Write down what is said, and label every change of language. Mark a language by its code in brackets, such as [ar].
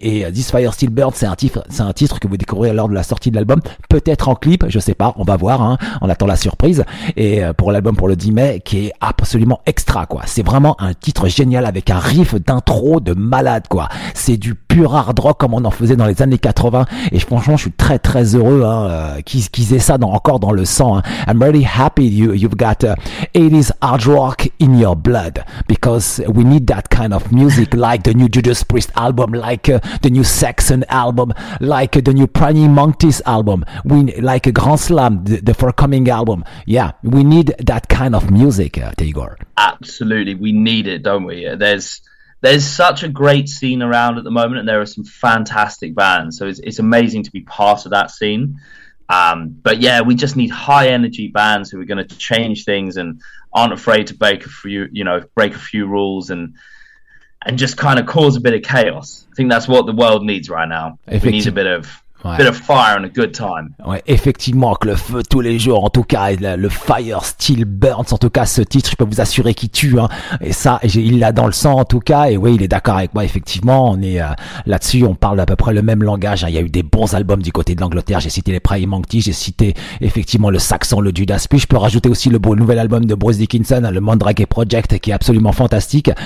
[fr] Et This Fire Still Burns, c'est un titre que vous découvrez lors de la sortie de l'album. Peut-être en clip, je sais pas. On va voir, hein. On attend la surprise. Et pour l'album, pour le guillemets, qui est absolument extra, quoi. C'est vraiment un titre génial avec un riff d'intro de malade, quoi. C'est du pur hard rock comme on en faisait dans les années 80. Et franchement, je suis très, très heureux, hein, qu'ils aient ça encore dans le sang, hein. [en] I'm really happy you've got 80s hard rock in your blood. Because we need that kind of music, like the new Judas Priest album, like the new Saxon album, like the new Pranny Monkeys album, like a Grand Slam, the forthcoming album. Yeah, we need that kind of music, Igor. Absolutely, we need it, don't we? There's such a great scene around at the moment, and there are some fantastic bands. So it's amazing to be part of that scene. But yeah, we just need high energy bands who are going to change things and aren't afraid to break a few rules and just kind of cause a bit of chaos. I think that's what the world needs right now. We need a bit of. Ouais. Bit of fire and a good time. [fr] Ouais, effectivement, que le feu tous les jours, en tout cas, le fire still burns, en tout cas, ce titre, je peux vous assurer qu'il tue, hein. Et ça, il l'a dans le sang, en tout cas, et oui, il est d'accord avec moi, effectivement, on est, là-dessus, on parle à peu près le même langage, hein. Il y a eu des bons albums du côté de l'Angleterre, j'ai cité les Prime Monkey, j'ai cité, effectivement, le Saxon, le Judas, puis je peux rajouter aussi le nouvel album de Bruce Dickinson, hein, le Mandrake Project, qui est absolument fantastique.